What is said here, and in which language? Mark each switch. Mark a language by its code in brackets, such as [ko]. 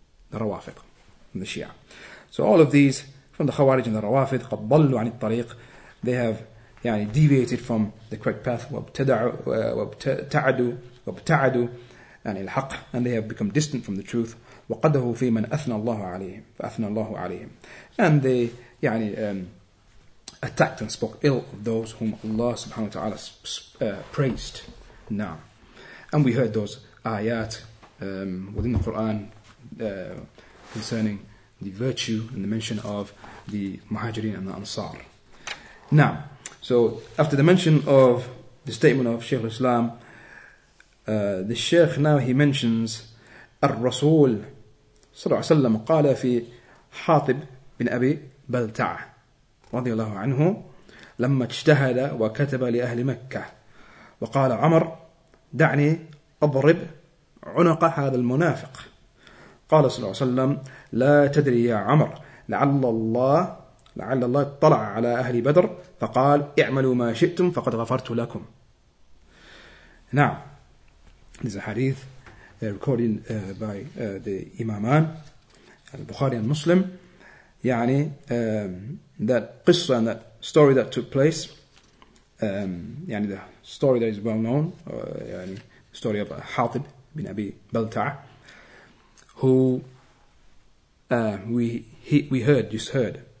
[en] The Rawafiq from the Shia. So all of these, from the Khawarij and the Rawafid, [ar] قَدْ ضَلُّوا عَنِ الطَّرِيقِ, [en] they have يعني, deviated from the correct path, [ar] وَابْتَعَدُوا عَنِ الْحَقِّ, [en] and they have become distant from the truth, [ar] وَقَدَهُ فِي مَنْ أَثْنَى اللَّهُ عَلَيْهِمْ [en] فَأَثْنَى اللَّهُ عَلَيْهِمْ, and they يعني, attacked and spoke ill of those whom Allah subhanahu wa ta'ala praised. Now, and we heard those ayat within the Quran concerning the virtue and the mention of the Muhajirin and the Ansar. Now, so after the mention of the statement of Shaykh al-Islam, the Shaykh now he mentions Ar-Rasul [ar] صلى الله عليه وسلم قال في حاطب بن أبي بلتع رضي الله عنه لما اجتهد وكتب لأهل مكة وقال عمر دعني أضرب عنق هذا المنافق قال صلى الله عليه وسلم لا تدري يا عمر لعل الله اطلع على أهل بدر فقال اعملوا ما شئتم فقد غفرت لكم. [en] نعم, this is a hadith recorded by the Imaman Al-Bukhari and Muslim, يعني that qissa and that story that took place, يعني the story that is well known, يعني the story of Hatib bin Abi Balta', who we heard